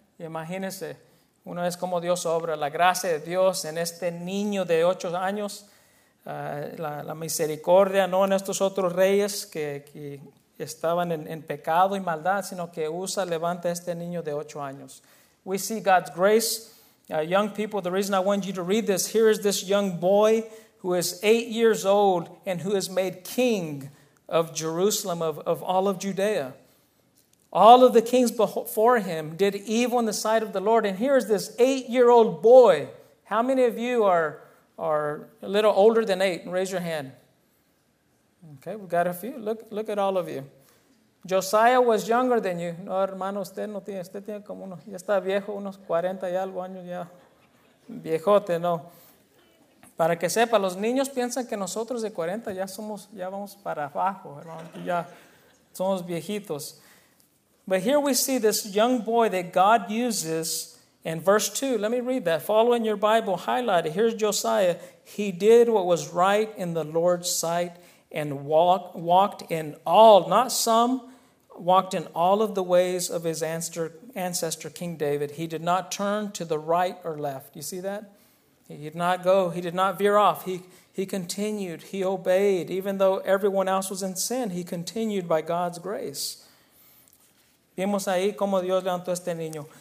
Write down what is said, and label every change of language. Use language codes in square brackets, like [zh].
[es] Imagínense, una vez como Dios obra, la gracia de Dios en este niño de 8 años. La misericordia no en estos otros reyes que estaban en pecado y maldad, sino que levanta a este niño de 8 años. [en] We see God's grace. Young people, the reason I want you to read this, here is this young boy who is 8 years old and who is made king of Jerusalem, of all of Judea. All of the kings before him did evil in the sight of the Lord. And here is this 8-year-old boy. How many of you are a little older than 8, raise your hand. Okay, we've got a few. Look at all of you. Josiah was younger than you. [es] No, hermano, usted no tiene, usted tiene como unos, ya está viejo, unos 40 y algo años ya. Viejote, no. Para que sepa, los niños piensan que nosotros de 40 ya somos, ya vamos para abajo, hermano, ya somos viejitos. [en] But here we see this young boy that God uses. And verse 2, let me read that. Follow in your Bible, highlight it. Here's Josiah. He did what was right in the Lord's sight and walked in all, not some, walked in all of the ways of his ancestor King David. He did not turn to the right or left. You see that? He did not go. He did not veer off. He continued. He obeyed. Even though everyone else was in sin, he continued by God's grace. [es] Vemos ahí cómo Dios levantó a este niño.